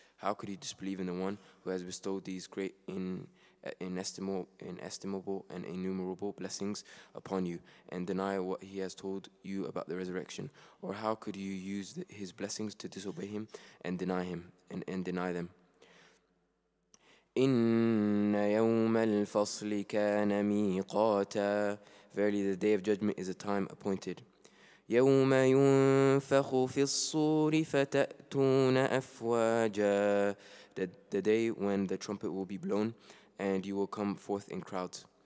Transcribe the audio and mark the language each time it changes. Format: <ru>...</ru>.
<en>How could you disbelieve in the one who has bestowed these great inestimable and innumerable blessings upon you and deny what he has told you about the resurrection? Or how could you use his blessings to disobey him and deny him and deny them?</en> <ar>Inna yawmal fasli kana miqata.</ar> <en>Verily, the day of judgment is a time appointed.</en> <ar>يوم ينفخ في الصور فتأتون أفواجا.</ar> <en>The day when the trumpet will be blown and you will come forth in crowds.</en>